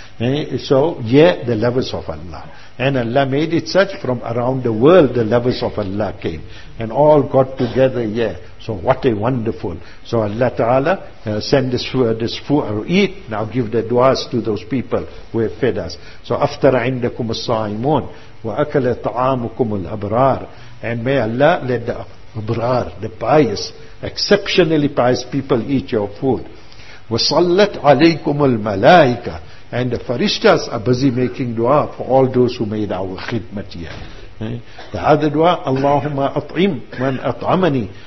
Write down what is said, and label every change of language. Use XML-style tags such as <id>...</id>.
<en>So, yeah, the lovers of Allah. And Allah made it such, from around the world the lovers of Allah came. And all got together, yeah. So what a wonderful. So Allah Ta'ala send this food, eat, now give the du'as to those people who have fed us. So after</en> <ar>عندكم الصائمون وَأَكَلَ طَعَامُكُمْ الْأَبْرَارِ.</ar> <en>And may Allah let the abrar, the pious, exceptionally pious people eat your food.</en> <ar>وَصَلَّتْ عَلَيْكُمُ الْمَلَائِكَةِ.</ar> <en>And the farishtas are busy making dua for all those who made our khidmat here. The other dua,</en> <ar>Allahumma at'im man at'amani.</ar>